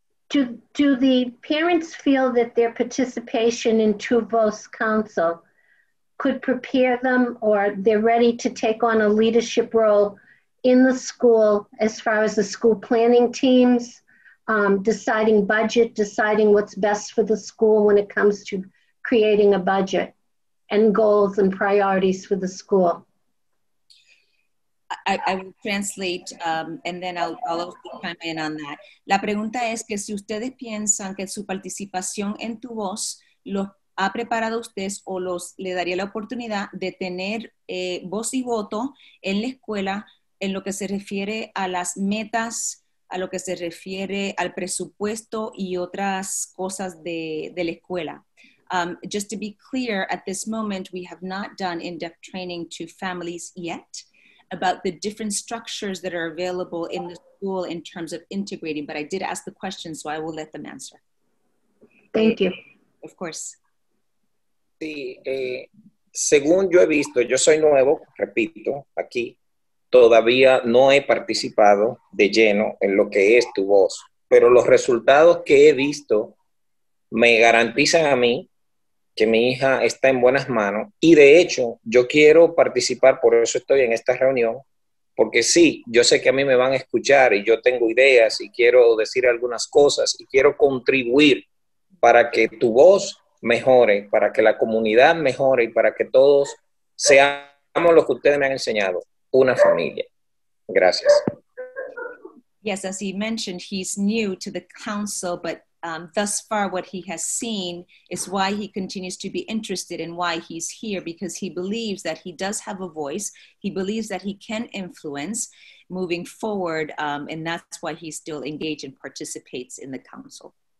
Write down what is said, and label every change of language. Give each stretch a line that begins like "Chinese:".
English: Do the parents feel that their participation in Tuvo's council could prepare them, or they're ready to take on a leadership role in the school as far as the school planning teams, deciding budget, deciding what's best for the school when it comes to creating a budget and goals and priorities for the school? I will translate and then I'll also chime in on that.
Spanish: La pregunta es que si ustedes piensan que su participación en Tu Voz lo ha preparado a ustedes o los le daría la oportunidad de tener voz y voto en la escuela en lo que se refiere a las metas, a lo que se refiere al presupuesto y otras cosas de la escuela.
English: Just to be clear, at this moment, we have not done in-depth training to families yet about the different structures that are available in the school in terms of integrating, but I did ask the question, so I will let them answer. Thank you. Of course.
Spanish: Sí, según yo he visto, yo soy nuevo, repito, aquí, todavía no he participado de lleno en lo que es tu voz, pero los resultados que he visto me garantizan a mí que mi hija está en buenas manos, y de hecho yo quiero participar, por eso estoy en esta reunión, porque sí, yo sé que a mí me van a escuchar y yo tengo ideas y quiero decir algunas cosas y quiero contribuir para que tu voz mejore, para que la comunidad mejore y para que todos seamos lo que ustedes me han enseñado, una familia. Gracias.
English: Yes, as he mentioned, he's new to the council, but thus far what he has seen is why he continues to be interested and why he's here, because he believes that he does have a voice, he believes that he can influence moving forward, and that's why he still engages and participates in the council.